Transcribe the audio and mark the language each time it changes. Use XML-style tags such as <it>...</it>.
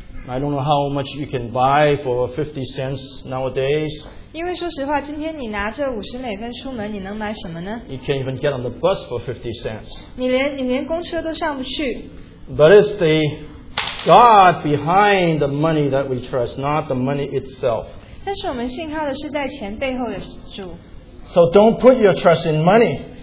<en>I don't know how much you can buy for 50 cents nowadays.</en> <zh>因为说实话,今天你拿着50美分出门,你能买什么呢?</zh> <en>You can't even get on the bus for 50 cents.</en> <zh>你连公车都上不去.</zh> <en>But it's the God behind the money that we trust, not the money itself. So don't put your trust in money.</en>